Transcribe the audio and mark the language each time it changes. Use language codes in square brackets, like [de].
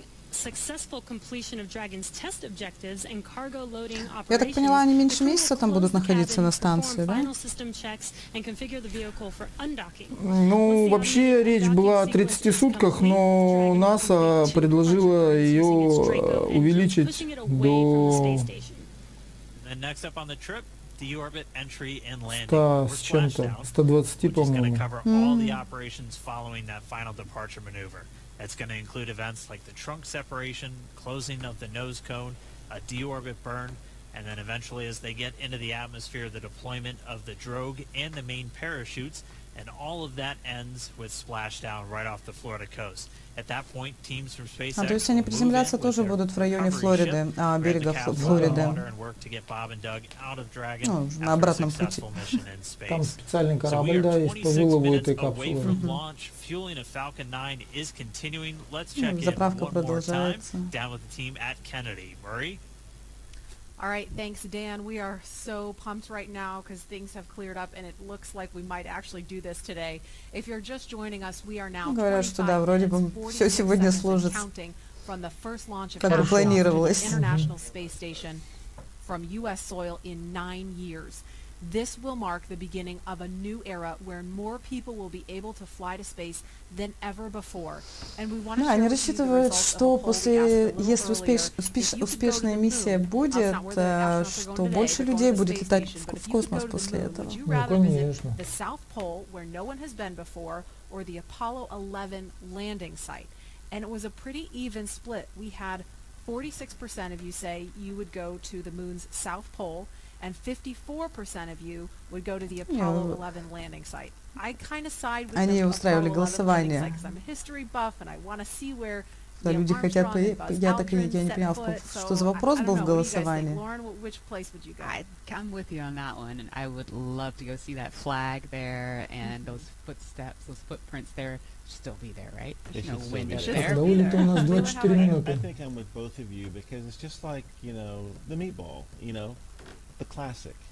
[en] Successful completion of Dragon's test objectives and cargo loading operations. [ru] Я так поняла, они меньше месяца там будут находиться на станции, да? Ну, вообще речь была о 30 сутках, но НАСА предложила ее увеличить до 100 с чем-то, 120, по-моему. [en] It's going to include events like the trunk separation, closing of the nose cone, a deorbit burn, and then eventually as they get into the atmosphere, the deployment of the drogue and the main parachutes, and all of that ends with splashdown right off the Florida coast. At that point, teams from SpaceX will move in with their recovery ship, grab the capsule out of water, and work to get Bob and Doug out of Dragon after a successful mission in space. [ru] Там специальный корабль, да, есть по вылову этой капсулы. [en] Fueling of Falcon 9 is continuing. Let's check in one more time. Down with the team at Kennedy. Murray? All right, thanks, Dan. We are so pumped right now because things have cleared up and it looks like we might actually do this today. If you're just joining us, we are now 25 minutes and 40 seconds counting from the first launch of Falcon 9 to the International Space Station from U.S. soil in 9 years. This will mark the beginning of a new era where more people will be able to fly to space than ever before. And we want to [ru] они рассчитывают, что после, если успешная миссия будет, что больше людей будет летать в космос после этого. Ну, конечно. [en] The South Pole, where no one has been before, or the Apollo 11 landing site. And it was a pretty even split. We had 46% of you say you would go to the moon's South Pole, and 54% of you would go to the Apollo 11 landing site. I kind of side with the Apollo 11 landing site because I'm a history buff and I want to see where [ru] люди хотят, я так и не понял, что за вопрос был в голосовании. [en] I'm with you on that one, and I would love to go see that flag there and those footsteps, those footprints there. Still be there, right? There's no window there. I think I'm with both of you because it's just like, you know, the meatball, you know, the classic.